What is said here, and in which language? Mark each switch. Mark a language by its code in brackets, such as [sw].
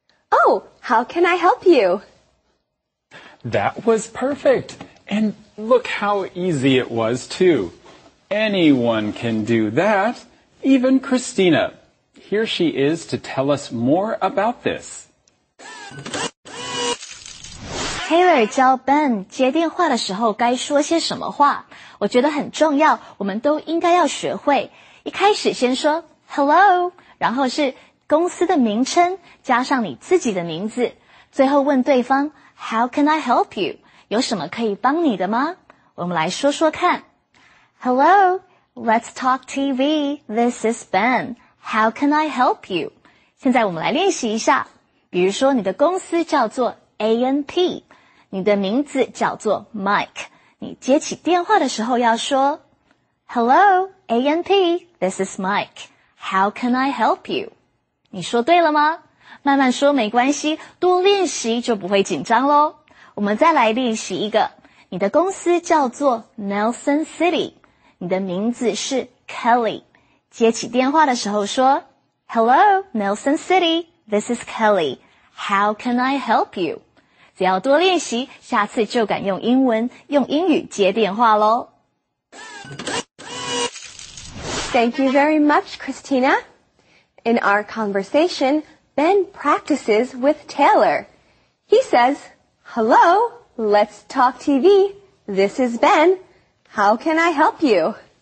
[en] Oh, how can I help you? That was perfect. And look how easy it was, too. Anyone can do that, even Christina. Here she is to tell us more about this. [zh] Taylor 教 Ben 接电话的时候该说些什么话，我觉得很重要，我们都应该要学会。一开始先说 hello， 然后是公司的名称加上你自己的名字，最后问对方 [en] how can I help you， [zh] 有什么可以帮你的吗？我们来说说看。 [en] Hello, Let's Talk TV. This is Ben. How can I help you? [zh] 现在我们来练习一下。比如说你的公司叫做 A&P, 你的名字叫做 Mike, 你接起电话的时候要说 Hello, [en] ANP, this is Mike. How can I help you? [zh] 你说对了吗？慢慢说没关系，多练习就不会紧张咯。我们再来练习一个。你的公司叫做 Nelson City， 你的名字是 Kelly。接起电话的时候说 [en] ,Hello, Nelson City, this is Kelly. How can I help you? [zh] 只要多练习，下次就敢用英文，用英语接电话咯。 [en] Thank you very much, Christina. In our conversation, Ben practices with Taylor. He says, Hello, let's talk TV. This is Ben. How can I help you?